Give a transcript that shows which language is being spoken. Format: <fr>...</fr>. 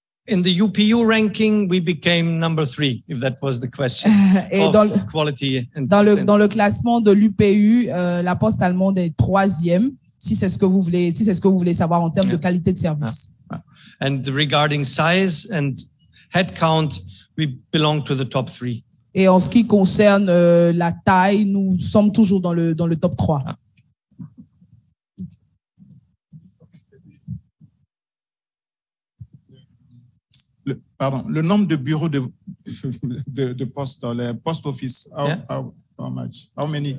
<en>In the UPU ranking, we became number three, if that was the question.</en> <fr>Et dans le classement de l'UPU, la poste allemande est troisième, si c'est ce que vous voulez savoir en termes de qualité de service.</fr> <en>Yeah. And regarding size and headcount, we belong to the top three. Et en ce qui concerne la taille, nous sommes toujours dans le top 3. Ah.</en> <fr>Le nombre de bureaux de poste, les post offices,</fr> <en>how many?</en>